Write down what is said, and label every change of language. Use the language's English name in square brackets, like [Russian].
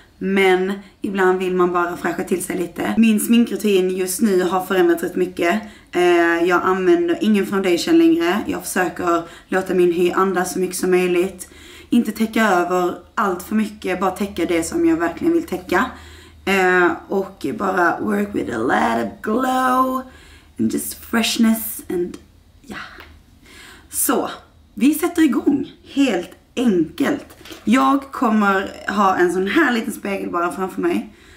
[Swedish] Men ibland vill man bara fräscha till sig lite. Min sminkrutin just nu har förändrats rätt mycket. Jag använder ingen foundation längre. Jag försöker låta min hy andas så mycket som möjligt. Inte täcka över allt för mycket. Bara täcka det som jag verkligen vill täcka. Och bara [English] work with a lot of glow. And just freshness. And yeah. [Swedish] Så, vi sätter igång helt enkelt. Jag kommer ha en sån här liten spegel bara framför mig.